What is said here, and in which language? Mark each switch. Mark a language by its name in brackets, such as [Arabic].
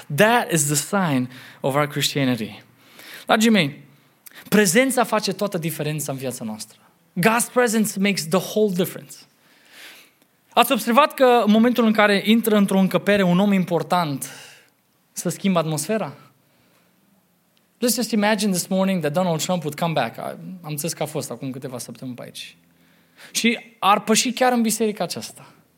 [English] That is the sign of our Christianity. [Romanian] Dragii mei, prezența face toată diferența în viața noastră. [English] God's presence makes the whole difference. [Romanian] Ați observat că în momentul în care intră într-o încăpere un om important să schimbă atmosfera? [English] Let's just imagine this morning that Donald Trump would come back. [Romanian] Am zis că a fost acum câteva săptămâni pe aici. Și ar păși chiar în biserica aceasta.